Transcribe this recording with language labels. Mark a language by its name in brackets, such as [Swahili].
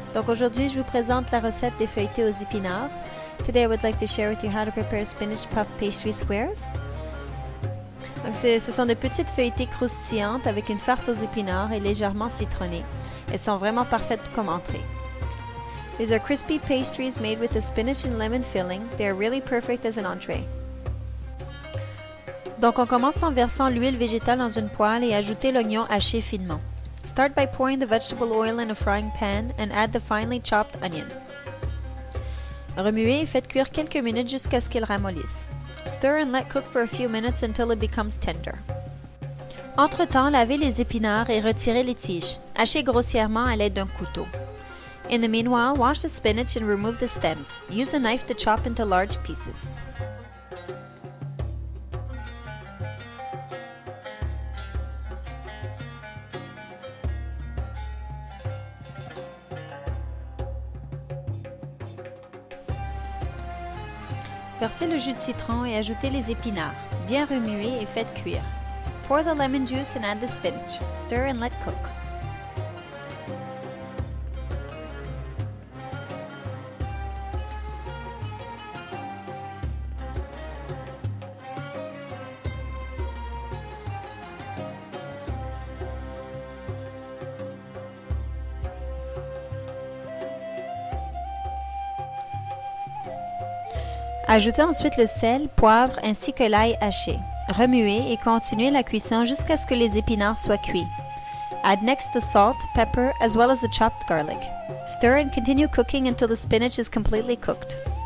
[French] Donc aujourd'hui, je vous présente la recette des feuilletés aux épinards. [English] Today, I would like to share with you how to prepare spinach puff pastry squares. [French] Donc ce sont des petites feuilletées croustillantes avec une farce aux épinards et légèrement citronnée. Elles sont vraiment parfaites comme entrée. [English] These are crispy pastries made with a spinach and lemon filling. They are really perfect as an entree. [French] Donc, on commence en versant l'huile végétale dans une poêle et ajouter l'oignon haché finement. [English] Start by pouring the vegetable oil in a frying pan and add the finely chopped onion. [French] Remuez et faites cuire quelques minutes jusqu'à ce qu'il ramollisse. [English] Stir and let cook for a few minutes until it becomes tender. [French] Entre-temps, lavez les épinards et retirez les tiges. Hachez grossièrement à l'aide d'un couteau. [English] In the meanwhile, wash the spinach and remove the stems. Use a knife to chop into large pieces. [French] Versez le jus de citron et ajoutez les épinards. Bien remuez et faites cuire. [English] Pour the lemon juice and add the spinach. Stir and let cook. [French] Ajoutez ensuite le sel, poivre ainsi que l'ail haché. Remuez et continuez la cuisson jusqu'à ce que les épinards soient cuits. [English] Add next the salt, pepper, as well as the chopped garlic. Stir and continue cooking until the spinach is completely cooked.